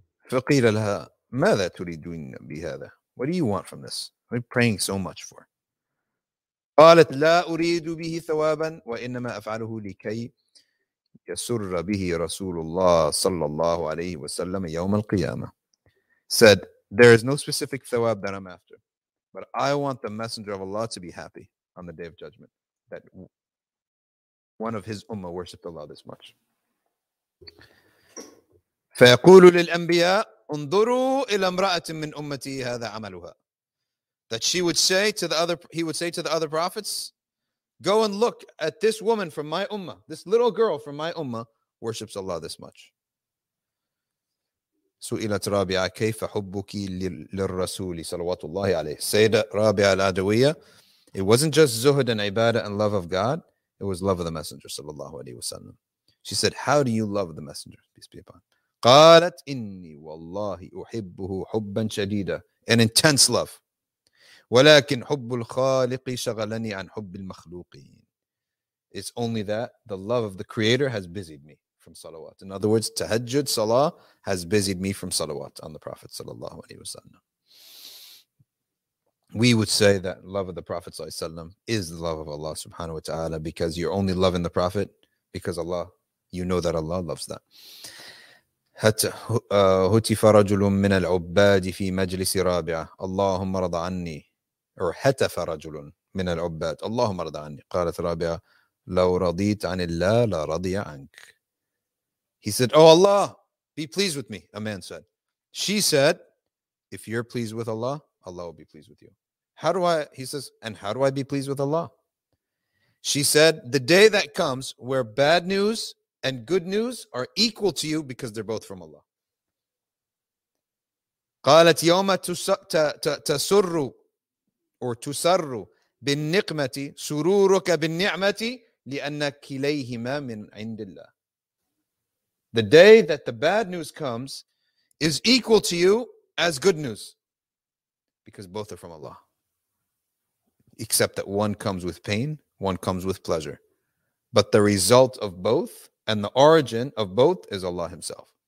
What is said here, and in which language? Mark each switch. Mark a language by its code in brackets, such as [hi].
[ar] فقيل لها ماذا تريدين بهذا? [en] What do you want from this? What are you praying so much for? [ar] قالت لا أريد به ثوابا وإنما أفعله لكي يسر به رسول الله صلى الله عليه وسلم يوم القيامة. [en] Said, there is no specific thawab that I'm after, but I want the Messenger of Allah to be happy on the Day of Judgment that one of his ummah worshipped Allah this much. [ar] فَيَقُولُ لِلْأَنْبِيَاءِ انظروا إلى امرأة من أمتي هذا عملها. [en] That she would say to the other, he would say to the other prophets, go and look at this woman from my ummah, this little girl from my ummah worships Allah this much. [ar] سُئِلَتْ رَابِعَ كَيْفَ حُبُّكِ لِلْرَسُولِ صَلَوَاتُ اللَّهِ عَلَيْهِ [en] Sayyida Rabia Al Adawiyya, it wasn't just zuhud and ibadah and love of God, it was love of the Messenger sallallahu alayhi wa sallam. She said, how do you love the Messenger, peace be upon him? [ar] قَالَتْ إِنِّي وَاللَّهِ أُحِبُّهُ حُبًّا شَدِيدًا [en] An intense love. [ar] وَلَكِنْ حُبُّ الْخَالِقِ شَغَلَنِي عَنْ حُبِّ الْمَخْلُوقِينَ [en] It's only that the love of the Creator has busied me from salawat. In other words, tahajjud, salah, has busied me from salawat on the Prophet sallallahu alayhi wa sallam. We would say that love of the Prophet sallallahu alayhi wa sallam is the love of Allah subhanahu wa ta'ala, because you're only loving the Prophet because Allah, you know that Allah loves that. [ar] هتف رجل من العباد في مجلس رابعة اللهم رضى عني or هتف رجل من العباد اللهم رضى عني قالت رابعة لو رضيت عن الله لا رضي عنك [en] He said, oh Allah, be pleased with me, a man said. She said, if you're pleased with Allah, Allah will be pleased with you. How do I be pleased with Allah? She said, the day that comes where bad news and good news are equal to you because they're both from Allah. [ar] قالت يوم تسر or تسر بالنقمة سرورك بالنعمة لأن كليهما من عند الله. [en] The day that the bad news comes is equal to you as good news because both are from Allah. Except that one comes with pain, one comes with pleasure. But the result of both and the origin of both is Allah Himself.